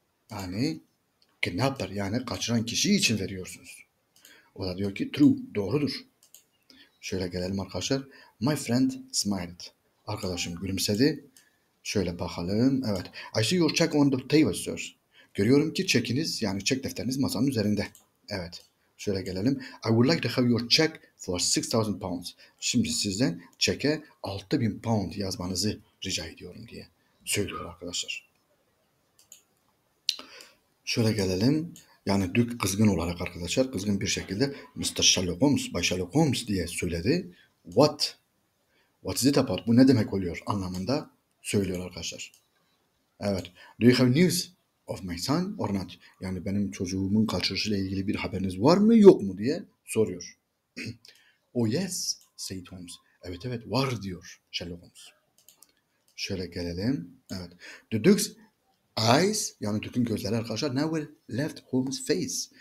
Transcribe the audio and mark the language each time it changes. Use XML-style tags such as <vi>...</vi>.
<tr>Yani</tr> <en>kidnapper,</en> <tr>yani kaçıran kişi için veriyorsunuz. O da diyor ki</tr> <en>true,</en> <tr>doğrudur. Şöyle gelelim arkadaşlar.</tr> <en>My friend smiled.</en> <tr>Arkadaşım gülümsedi. Şöyle bakalım. Evet.</tr> <en>I see your check on the table, sir.</en> <tr>Görüyorum ki çekiniz, yani çek defteriniz masanın üzerinde. Evet. Şöyle gelelim.</tr> <en>I would like to have your check for 6000 pounds.</en> <tr>Şimdi sizden çeke 6000 pound yazmanızı rica ediyorum diye söylüyor arkadaşlar. Şöyle gelelim. Yani Duke kızgın olarak arkadaşlar, kızgın bir şekilde Mr. Sherlock Holmes, Bay Sherlock Holmes diye söyledi.</tr> <en>What? What is it about?</en> <tr>Bu ne demek oluyor anlamında söylüyor arkadaşlar. Evet.</tr> <en>Do you have news of my son or not?</en> <tr>Yani benim çocuğumun kaçırışıyla ilgili bir haberiniz var mı yok mu diye soruyor.</tr> <en>Oh yes, said Holmes.</en> <tr>Evet var diyor Sherlock Holmes. Şöyle gelelim. Evet.</tr> <en>The Duke's eyes,</en> <tr>yani Duke'un gözleri arkadaşlar,</tr> <en>never left Holmes' face.</en>